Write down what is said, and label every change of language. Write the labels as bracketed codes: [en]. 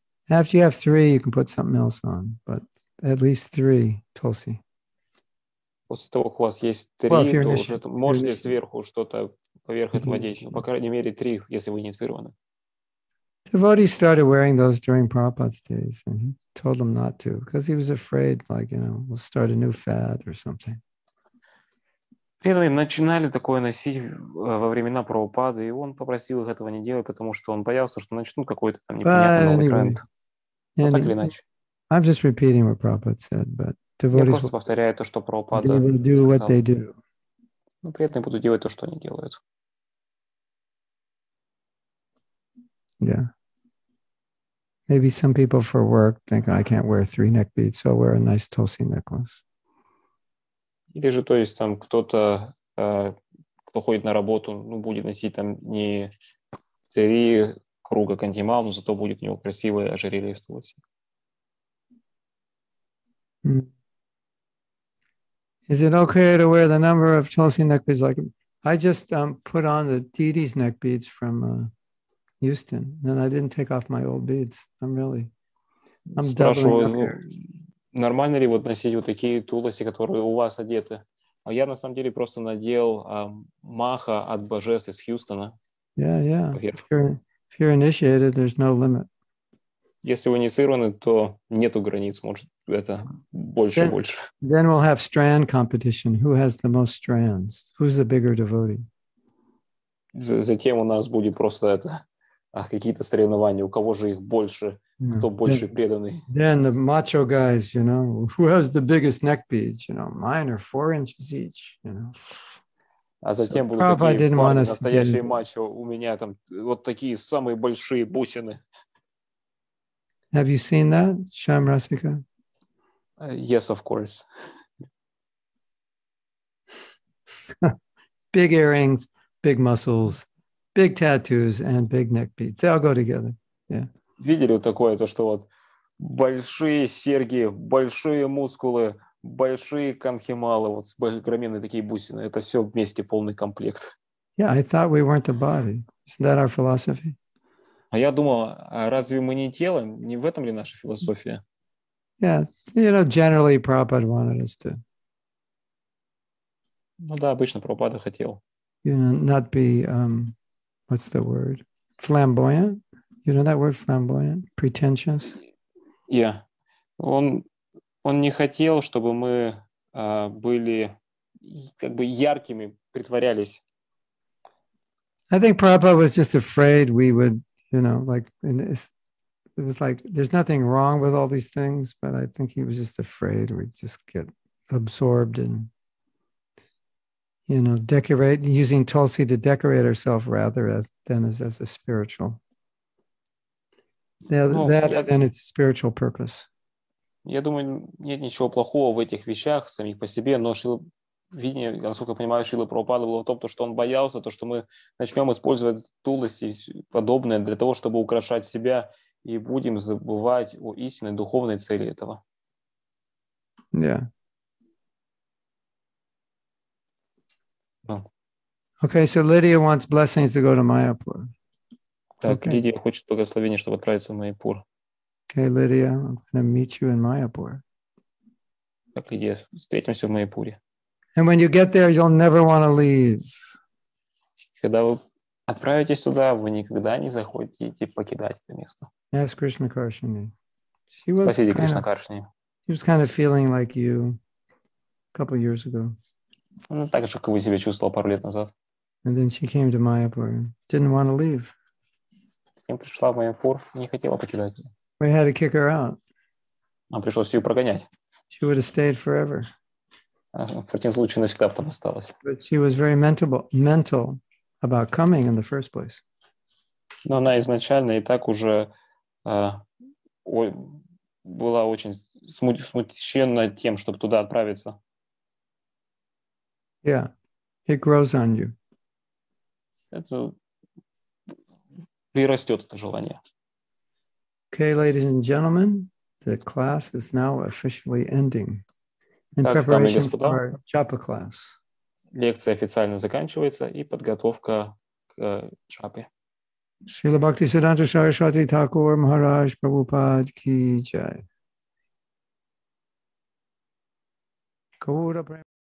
[en] After you have three, you can put something else on, but at least three tulsi. [ru] После того, как у вас есть три, [en] well, [ru] то уже можете сверху что-то поверх этого надеть. Ну, по крайней мере, три, если вы инициированы. [en] Devotees started wearing those during Prabhupada's days, and he told them not to, because he was afraid, like, you know, we'll start a new fad or something. [ru] Преданные начинали такое носить во времена Прабхупады, и он попросил их этого не делать, потому что он боялся, что начнут какой-то там непонятный новый тренд. Так или иначе. [en] I'm just repeating what Prabhupada said, but devotees will [ru] повторяю то, что Прабхупада сказал. [en] Do what they do. [ru] Но преданные будут делать то, что они делают. [en] Yeah. Maybe some people for work think I can't wear three neck beads, so I'll wear a nice tulsi necklace. [ru] Или же, то есть, там кто-то, кто ходит на работу, ну, будет носить там не три круга кантимал, но зато будет у него красивое ожерелье из тулоси. [en] Is it okay to wear the number of tulsi neck beads? Like, I just put on the deity's neck beads from Houston, and I didn't take off my old beads. I'm doubling up here. [ru] Нормально ли вот носить вот такие тулоси, которые у вас одеты? А я на самом деле просто надел маха от божеств из Хьюстона. [en] Yeah. If you're initiated, there's no limit. [ru] Если вы инициированы, то нету границ, может, это больше [en] then, [ru] и больше. [en] Then we'll have strand competition. Who has the most strands? Who's the bigger devotee? [ru] Затем у нас будет просто это. Какие-то соревнования, у кого же их больше, кто больше преданный. [en] Then the macho guys, you know, who has the biggest neck beads, you know, mine are 4 inches each, you know. [ru] А затем [en] so, [ru] будут такие парни, настоящие мачо, у меня там вот такие самые большие бусины. [en] Have you seen that, Shyam Rasika? Yes, of course. Big earrings, big muscles. Big tattoos and big neck beads. They all go together. Yeah. [ru] Видели такое, то, что вот большие серьги, большие мускулы, большие канхималы, вот громенные такие бусины. Это все вместе полный комплект. [en] Yeah, I thought we weren't a body. Isn't that our philosophy? [ru] А я думал, а разве мы не тело? Не в этом ли наша философия? [en] Yeah, you know, generally Prabhupada wanted us to. [ru] Ну да, обычно Прабхупада хотел. [en] You know, not be what's the word? Flamboyant? You know that word, flamboyant? Pretentious? Yeah. [ru] Он не хотел, чтобы мы были как бы яркими, притворялись. [en] I think Prabhupada was just afraid we would, you know, like, and it was like, there's nothing wrong with all these things, but I think he was just afraid we'd just get absorbed in, you know, decorate, using tulsi to decorate ourselves rather than as a spiritual. Now, then it's spiritual purpose. [ru] Я думаю, нет ничего плохого в этих вещах самих по себе, но насколько понимаю, Шрила Прабхупада было в том, что он боялся, то, что мы начнем использовать тулоси подобное для того, чтобы украшать себя и будем забывать о истинной духовной цели этого. [en] Yeah. Okay, so Lydia wants blessings to go to Mayapur. [ru] Так, okay. Лидия хочет благословения, чтобы отправиться в Майяпур. [en] Okay, Lydia, I'm gonna meet you in Mayapur. [ru] Так, Лидия, встретимся в Майяпуре. [en] And when you get there, you'll never want to leave. [ru] Когда вы отправитесь туда, вы никогда не захотите покидать это место. [en] Ask Krishna Karshini. [ru] Спросите Кришна Каршини. [en] He was kind of feeling like you a couple years ago. [ru] Ну, так же, как вы себя чувствовали пару лет назад. [en] And then she came to Mayapur. Didn't want to leave. [ru] Затем пришла в Mayapur, не хотела покидать. [en] We had to kick her out. [ru] Нам пришлось ее прогонять. [en] She would have stayed forever. [ru] В противном случае, она всегда там осталась. [en] But she was very mental about coming in the first place. [ru] Но она изначально и так уже была очень смущенно тем, чтобы туда отправиться. [en] Yeah, it grows on you. [ru] Это прирастет это желание. [en] Okay, ladies and gentlemen, the class is now officially ending in [ru] так, [en] preparation [ru] господа, [en] for Japa class. [ru] Лекция официально заканчивается и подготовка к Джапе. Шрила Бхакти Сиддханта Сарасвати Тхакур Махарадж Прабхупад Ки Джай. [en] Cool.